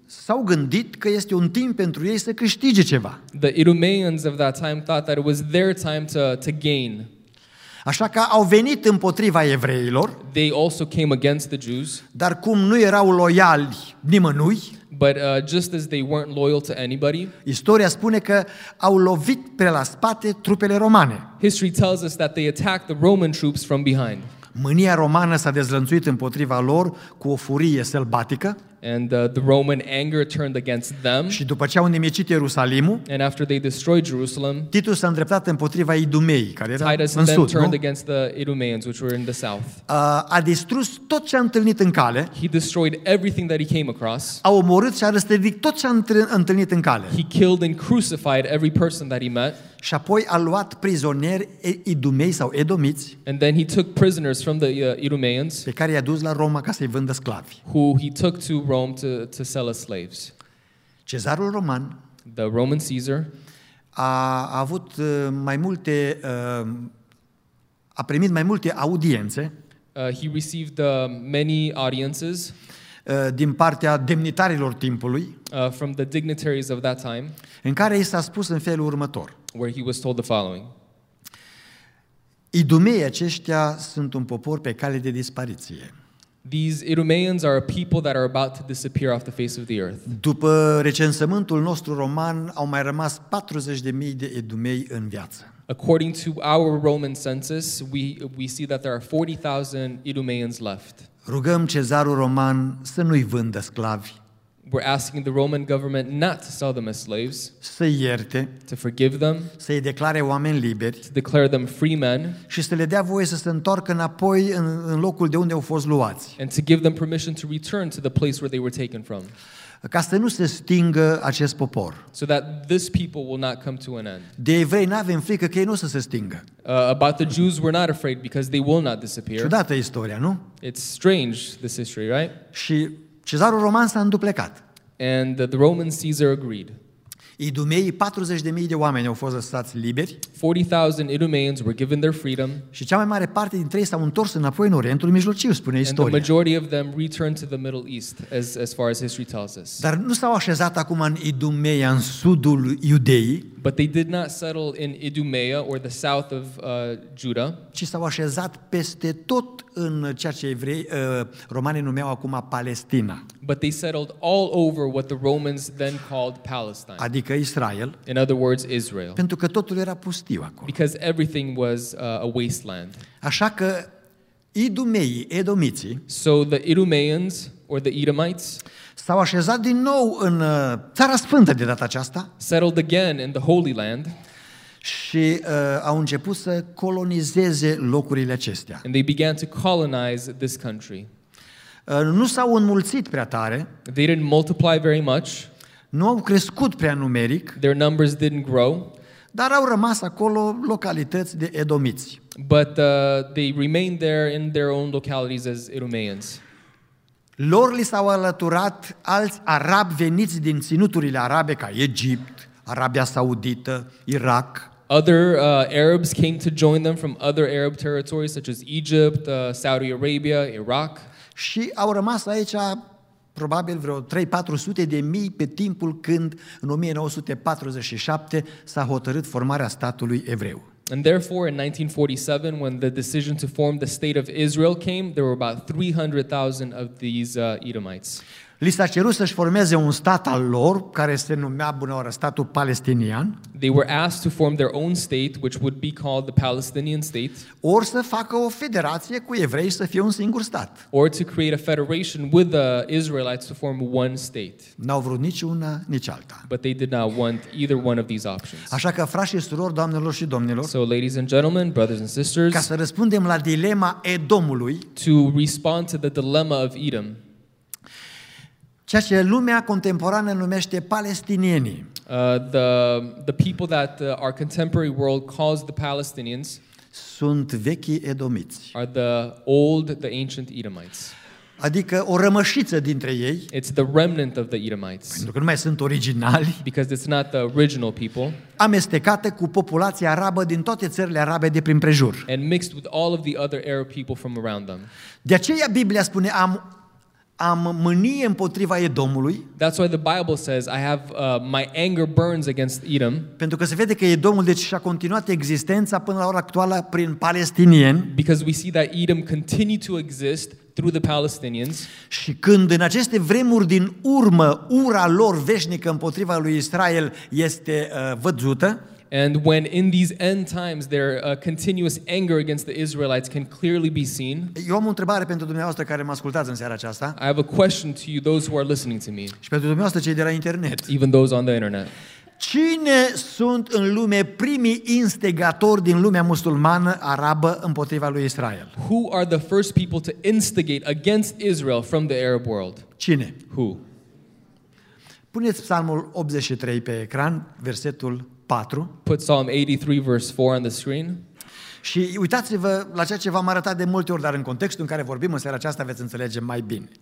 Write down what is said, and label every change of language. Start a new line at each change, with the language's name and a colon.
Romanian: s-au gândit că este un timp pentru ei să câștige ceva.
English: The Idumeans of that time thought that it was their time to gain.
Romanian: Așa că au venit împotriva evreilor.
English: They also came against the Jews.
Romanian: Dar cum nu erau loiali nimănui?
English: But just as they weren't loyal to anybody.
Romanian: Istoria spune că au lovit pe la spate trupele romane.
English: History tells us that they attacked the Roman troops from behind.
Romanian: Mânia romană s-a dezlănțuit împotriva lor cu o furie sălbatică.
English: And the Roman anger turned against them.
Romanian: Și după ce au nimicit Ierusalimul,
English: and after they destroyed Jerusalem,
Romanian: Titus s-a îndreptat împotriva Idumei, care era Titus în sud,
English: turned against the Idumeans, which were in the south.
Romanian: A distrus tot ce a întâlnit în cale.
English: He destroyed everything that he came across.
Romanian: A omorât și a răstignit tot ce a întâlnit în cale.
English: He killed and crucified every person that he met.
Romanian: Și apoi a luat prizonieri idumei sau edomiți.
English: And then he took prisoners from the Idumeans.
Romanian: Pe care i-a dus la Roma ca să-i vândă sclavi.
English: Who he took to Rome to sell as slaves.
Romanian: Cezarul roman,
English: the Roman Caesar,
Romanian: a avut mai multe a primit mai multe audiențe.
English: He received many audiences.
Romanian: Din partea demnitarilor timpului,
English: from the dignitaries of that time,
Romanian: în care i s-a spus în felul următor,
English: where he was told the following.
Romanian: Idumei aceștia sunt un popor pe cale de dispariție.
English: These Idumeans are a people that are about to disappear off the face of the earth.
Romanian: După recensământul nostru roman, au mai rămas 40.000 de idumei în viață.
English: According to our Roman census, we see that there are 40,000 Idumeans left.
Romanian: Rugăm cezarul roman să nu-i vândă sclavi.
English: We're asking the Roman government not to sell them as slaves.
Romanian: Să ierte.
English: To forgive them.
Romanian: Să-i declare oameni liberi.
English: To declare them free men.
Romanian: Și să le dea voie să se întoarcă înapoi în locul de unde au fost luați.
English: And to give them permission to return to the place where they were taken from.
Romanian: Ca să nu se stingă acest popor.
English: So that this people will not come to an end.
Romanian: De evrei n-avem frică că ei nu o să se stingă.
English: About the Jews, we're not afraid because they will not disappear.
Romanian: Ciudată istoria, nu?
English: It's strange, this history, right?
Romanian: Și cezarul roman s-a înduplecat.
English: And the Roman Caesar agreed.
Romanian: Idumeii, 40.000 de oameni au fost lăsați liberi.
English: 40,000 Idumeans were given their freedom.
Romanian: Și cea mai mare parte dintre ei s-au întors înapoi în Orientul Mijlociu, spune istoria.
English: And the majority of them returned to the Middle East, as far as history tells us.
Romanian: Dar nu s-au așezat acum în Idumeia, în sudul Iudeii.
English: But they did not settle in Idumea or the south of Judah.
Romanian: Ci s-au așezat peste tot în ceea ce evrei, romanii numeau acum Palestina.
English: But they settled all over what the Romans then called Palestine.
Romanian: Adică Israel.
English: In other words, Israel.
Romanian: Pentru că totul era pustiu acolo.
English: Because everything was a wasteland.
Romanian: Așa că idumeii, edomiții,
English: so the Idumeans or the Edomites,
Romanian: s-au așezat din nou în Țara Sfântă de data aceasta.
English: Settled again in the Holy Land.
Romanian: Și au început să colonizeze locurile acestea.
English: And they began to colonize this country.
Romanian: Nu s-au înmulțit prea tare.
English: They didn't multiply very much.
Romanian: Nu au crescut prea numeric.
English: Their numbers didn't grow.
Romanian: Dar au rămas acolo localități de edomiți.
English: But they remained there in their own localities as Edomians.
Romanian: Lor li s-au alăturat alți arabi veniți din ținuturile arabe ca Egipt, Arabia Saudită, Irak.
English: Other Arabs came to join them from other Arab territories such as Egypt, Saudi Arabia, Iraq.
Romanian: Și au rămas aici probabil vreo 3-400 de mii pe timpul când în 1947 s-a hotărât formarea statului evreu.
English: And therefore in 1947 when the decision to form the state of Israel came, there were about 300,000 of these Edomites.
Romanian: Li s-a cerut să-și formeze un stat al lor care se numea bunăoară statul palestinian.
English: They were asked to form their own state which would be called the Palestinian state.
Romanian: Or să facă o federație cu evrei să fie un singur stat.
English: Or to create a federation with the Israelites to form one state.
Romanian: N-au vrut nici una, nici alta.
English: But they did not want either one of these options.
Romanian: Așa că frați și surori, doamnelor și domnilor,
English: so ladies and gentlemen, brothers and sisters,
Romanian: ca să răspundem la dilema Edomului,
English: to respond to the dilemma of Edom.
Romanian: Ceea ce lumea contemporană numește palestinienii.
English: The people that our contemporary world calls the Palestinians
Romanian: sunt vechii edomiți.
English: Are the ancient Edomites.
Romanian: Adică o rămășiță dintre ei.
English: It's the remnant of the Edomites.
Romanian: Pentru că nu mai sunt originali.
English: Because it's not the original people.
Romanian: Amestecată cu populația arabă din toate țările arabe de prin prejur.
English: And mixed with all of the other Arab people from around them.
Romanian: De aceea Biblia spune am Am mânie împotriva Edomului.
English: That's why the Bible says I have my anger burns against Edom.
Romanian: Pentru că se vede că Edomul deci și-a continuat existența până la ora actuală prin palestinieni.
English: Because we see that Edom continued to exist through the Palestinians.
Romanian: Și când în aceste vremuri din urmă ura lor veșnică împotriva lui Israel este văzută.
English: And when in these end times their continuous anger against the Israelites can clearly be seen.
Romanian: Eu am o întrebare pentru dumneavoastră care mă ascultați în seara aceasta.
English: I have a question to you, those who are listening to me.
Romanian: Și pentru dumneavoastră cei de la internet.
English: Even those on the internet.
Romanian: Cine sunt în lume primii instigatori din lumea musulmană arabă împotriva lui Israel?
English: Who are the first people to instigate against Israel from the Arab world?
Romanian: Cine?
English: Who?
Romanian: Puneți Psalmul 83 pe ecran, versetul 4.
English: Put Psalm 83 verse 4 on the screen.
Romanian: Și uitați-vă la ceea ce v-am arătat de multe ori, dar în contextul în care vorbim în seara aceasta veți înțelege mai bine.